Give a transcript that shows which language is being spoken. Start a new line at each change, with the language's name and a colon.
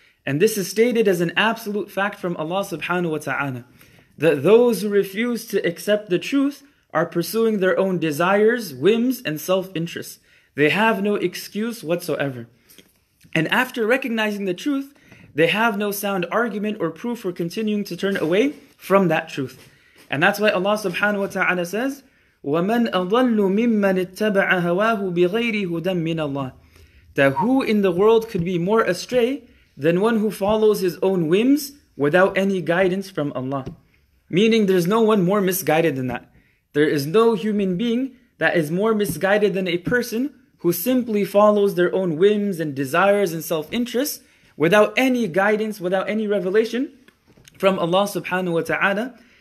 English: And this is stated as an absolute fact from Allah subhanahu wa ta'ala, that those who refuse to accept the truth are pursuing their own desires, whims, and self-interests. They have no excuse whatsoever. And after recognizing the truth, they have no sound argument or proof for continuing to turn away from that truth. And that's why Allah subhanahu wa ta'ala says,
Arabic: وَمَنْ أَضَلُّ مِمَّنِ اتَّبَعَ هَوَاهُ بِغَيْرِ هُدًى مِّنَ اللَّهِ.
English: That who in the world could be more astray than one who follows his own whims without any guidance from Allah? Meaning there's no one more misguided than that. There is no human being that is more misguided than a person who simply follows their own whims and desires and self-interests without any guidance, without any revelation from Allah subhanahu wa ta'ala.